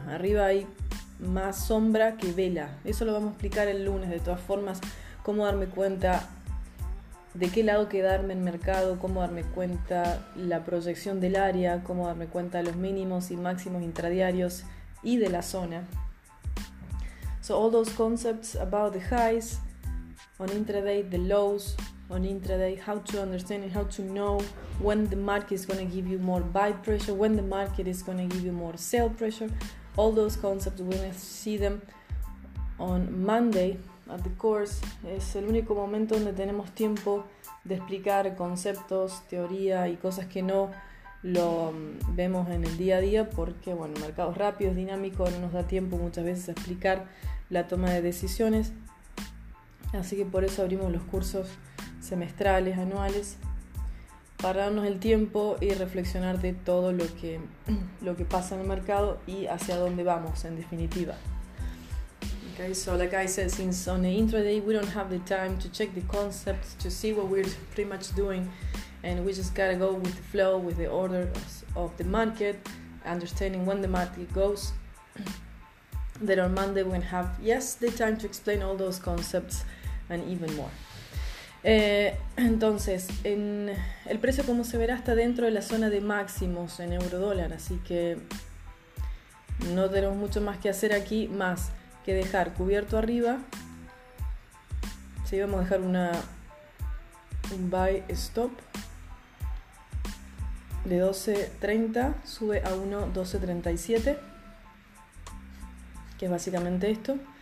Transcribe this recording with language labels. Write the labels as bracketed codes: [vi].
[es] Arriba hay más sombra que vela. Eso lo vamos a explicar el lunes, de todas formas, cómo darme cuenta de qué lado quedarme en mercado, cómo darme cuenta la proyección del área, cómo darme cuenta los mínimos y máximos intradiarios y de la zona. [en] So all those concepts about the highs, on intraday, the lows, on intraday, how to understand and how to know when the market is going to give you more buy pressure, when the market is going to give you more sell pressure. All those concepts, we're going to see them on Monday at the course. [es] Es el único momento donde tenemos tiempo de explicar conceptos, teoría y cosas que no lo vemos en el día a día, porque bueno, el mercado es rápido, es dinámico, no nos da tiempo muchas veces a explicar la toma de decisiones. Así que por eso abrimos los cursos semestrales, anuales, para darnos el tiempo y reflexionar de todo lo que pasa en el mercado y hacia dónde vamos en definitiva. [en] Okay, so like I said, since on the intraday we don't have the time to check the concepts, to see what we're pretty much doing, and we just gotta go with the flow, with the order of the market, understanding when the market goes, then on Monday we're gonna have, yes, the time to explain all those concepts and even more. [es] Entonces, en el precio, como se verá, está dentro de la zona de máximos en euro dólar, así que no tenemos mucho más que hacer aquí, más que dejar cubierto arriba. Sí, vamos a dejar un buy stop de 12.30, sube a 1.1237, que es básicamente esto.